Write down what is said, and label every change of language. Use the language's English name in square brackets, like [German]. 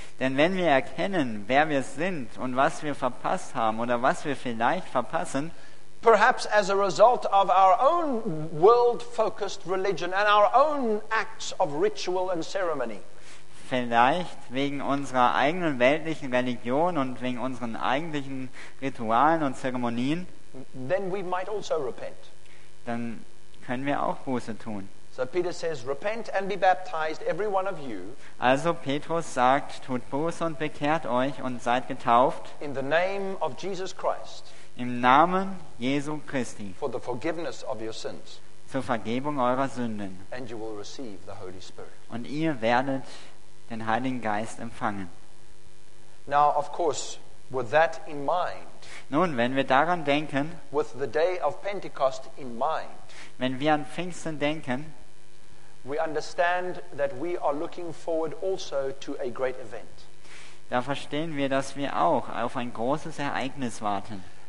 [German] denn wenn wir erkennen, wer wir sind und was wir verpasst haben oder was wir vielleicht verpassen, [English] perhaps as a result of our own world-focused religion and our own acts of ritual and ceremony, [German] vielleicht wegen unserer eigenen weltlichen Religion und wegen unseren eigentlichen Ritualen und Zeremonien, [English] then we might also repent. [German] Dann können wir auch Buße tun. [English] So Peter says, repent and be baptized, every one of you. [German] Also Petrus sagt, tut Buße und bekehrt euch und seid getauft. [English] In the name of Jesus Christ. [German] Im Namen Jesu Christi. [English] For the forgiveness of your sins. [German] Zur Vergebung eurer Sünden. [English] And you will receive the Holy Spirit. [German] Und ihr werdet den Heiligen Geist empfangen. [English] Now, of course, with that in mind, [German] nun, wenn wir daran denken, [English] with the day of Pentecost in mind, [German] wenn wir an Pfingsten denken, [English] we understand that we are looking forward also to a great event. [German] Da verstehen wir, dass wir auch auf ein großes Ereignis warten.